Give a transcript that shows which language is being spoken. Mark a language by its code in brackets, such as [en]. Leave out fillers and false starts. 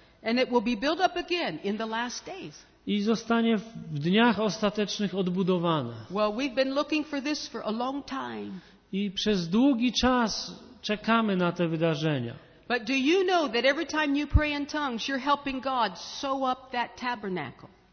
[en] And it will be built up again in the last days. [pl] I zostanie w dniach ostatecznych odbudowane. [en] Well, we've been looking for this for a long time. [pl] I przez długi czas czekamy na te wydarzenia. [en] But do you know that every time you pray in tongues, you're helping God sew up that tabernacle?